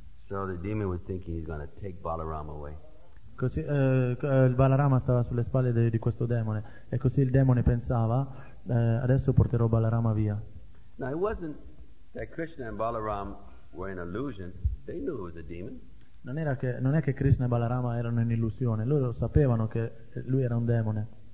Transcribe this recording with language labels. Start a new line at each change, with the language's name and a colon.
English: So the demon was thinking he's going to take Balaram away.
Italian: Così il Balarama stava sulle spalle di questo demone, e così il demone pensava, adesso porterò Balarama via.
English: Now it wasn't that Krishna and Balaram were in illusion; they knew it was a demon.
Italian: Non è che Krishna e Balarama erano in illusione, loro sapevano che lui era un demone.